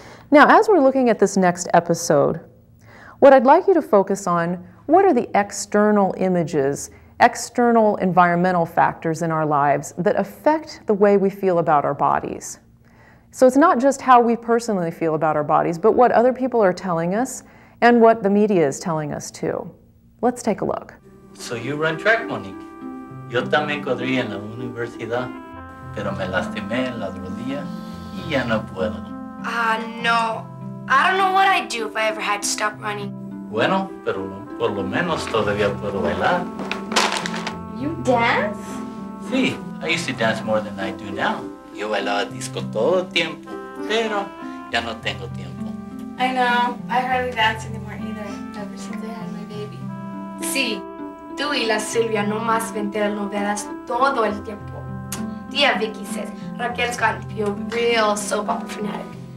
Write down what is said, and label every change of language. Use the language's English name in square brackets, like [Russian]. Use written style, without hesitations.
[English] Now, as we're looking at this next episode, what I'd like you to focus on, what are the external images, external environmental factors in our lives that affect the way we feel about our bodies? So it's not just how we personally feel about our bodies, but what other people are telling us and what the media is telling us too. Let's take a look. So you run track, Monique. [Spanish] Yo también corrí en la universidad, pero me lastimé en la rodilla y ya no puedo. No. [English] I don't know what I'd do if I ever had to stop running. [Spanish] Bueno, pero por lo menos todavía puedo bailar. [English] You dance? Sí, I used to dance more than I do now. [Spanish] Yo bailaba disco todo el tiempo, pero ya no tengo tiempo. [English] I know. I hardly dance anymore either, ever since I had my baby. [Spanish] Sí. Tú y la Silvia no más ven telenovelas todo el tiempo. [English] Tía Vicky says Raquel's gotten to be a real soap opera fanatic.